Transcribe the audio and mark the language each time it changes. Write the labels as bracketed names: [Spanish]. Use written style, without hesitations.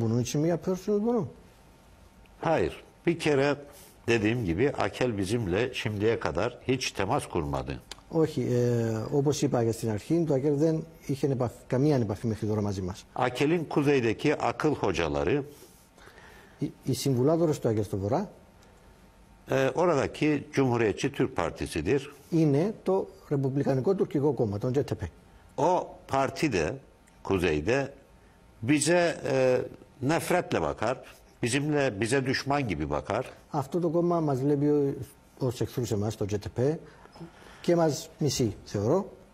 [Turkish] Bunun için mi yapıyorsunuz bunu? Hayır. Bir kere dediğim gibi AKEL bizimle şimdiye kadar hiç temas kurmadı. [Greek] Όχι, όπως είπα και στην αρχή, το AKEL δεν είχε καμία επαφή μέχρι τώρα μαζί μας. [Turkish] AKEL'in kuzeydeki akıl hocaları, [Greek] οι συμβουλάτορες του AKEL στο βορρά, [Turkish] Oradaki Cumhuriyetçi Türk Partisi'dir. Yine to Republikaniko Türkiye Komutan CTP. O parti de kuzeyde bize nefretle bakar. Bizimle bize düşman gibi bakar. [Greek] Αυτό το κόμμα μας βλέπει ως εχθρούς εμάς, το CTP, και μας μισεί, θεωρώ.